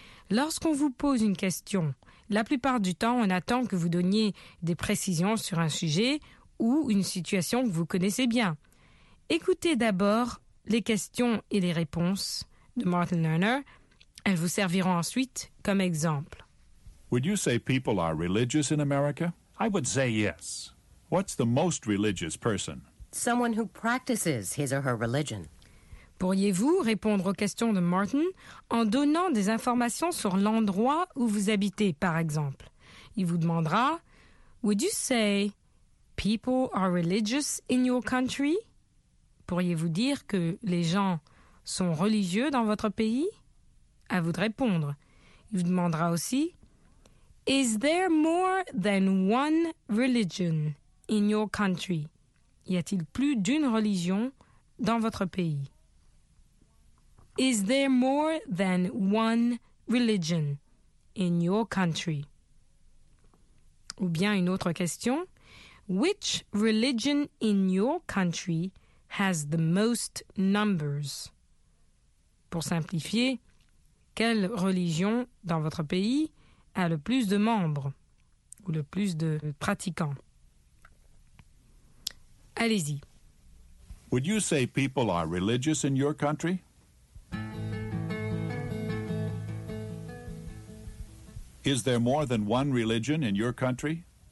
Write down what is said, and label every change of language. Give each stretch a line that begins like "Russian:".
French: Lorsqu'on vous pose une question, la plupart du temps, on attend que vous donniez des précisions sur un sujet ou une situation que vous connaissez bien. Écoutez d'abord les questions et les réponses de Martin Lerner. Elles vous serviront ensuite comme exemple.
English: Would you say people are religious in America? I would say yes. What's the most religious person? Someone who practices his or her religion.
French: Pourriez-vous répondre aux questions de Martin en donnant des informations sur l'endroit où vous habitez, par exemple? Il vous demandera,
English: Would you say people are religious in your country?
French: Pourriez-vous dire que les gens sont religieux dans votre pays? À vous de répondre. Il vous demandera aussi,
English: Is there more than one religion in your country?
French: Y a-t-il plus d'une religion dans votre pays?
English: Is there more than one religion in your country?
French: Ou bien une autre question.
English: Which religion in your country has the most numbers?
French: Pour simplifier, quelle religion dans votre pays a le plus de membres ou le plus de pratiquants? Allez-y.
English: Would you say people are religious in your country? Is there more than one religion in your country?